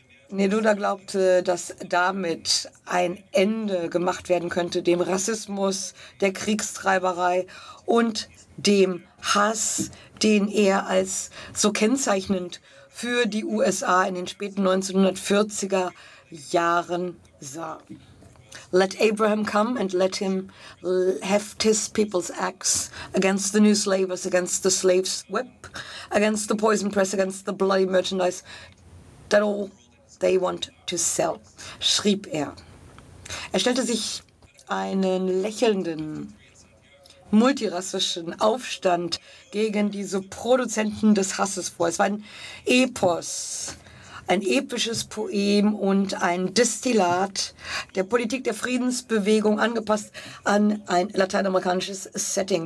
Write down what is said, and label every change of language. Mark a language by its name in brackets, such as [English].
[German] Neruda glaubte, dass damit ein Ende gemacht werden könnte dem Rassismus, der Kriegstreiberei und dem Hass, den er als so kennzeichnend für die USA in den späten 1940er Jahren sah. [English] Let Abraham come and let him heft his people's axe against the new slavers, against the slave's whip, against the poison press, against the bloody merchandise that all they want to sell, [German] schrieb er. Er stellte sich einen lächelnden, multirassischen Aufstand gegen diese Produzenten des Hasses vor. Es war ein Epos, ein episches Poem und ein Destillat der Politik der Friedensbewegung, angepasst an ein lateinamerikanisches Setting.